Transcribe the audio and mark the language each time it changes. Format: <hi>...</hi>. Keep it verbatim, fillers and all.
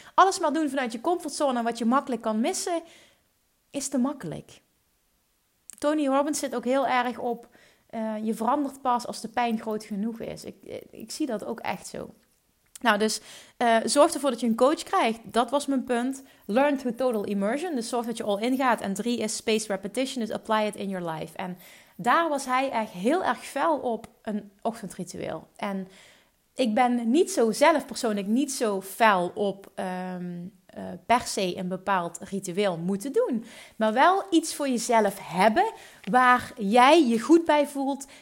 <nl>Alles maar doen vanuit je comfortzone en wat je makkelijk kan missen, is te makkelijk. Tony Robbins zit ook heel erg op Uh, je verandert pas als de pijn groot genoeg is. Ik, ik, ik zie dat ook echt zo. Nou, dus uh, zorg ervoor dat je een coach krijgt. Dat was mijn punt.</nl> <en>Learn through total immersion.</en> <nl>Dus zorg dat je all in gaat. En drie is spaced repetition.</nl> <en>Dus apply it in your life.</en> <nl>En daar was hij echt heel erg fel op, een ochtendritueel. En ik ben niet zo zelf persoonlijk niet zo fel op um, uh, per se een bepaald ritueel moeten doen. Maar wel iets voor jezelf hebben waar jij je goed bij voelt.</nl>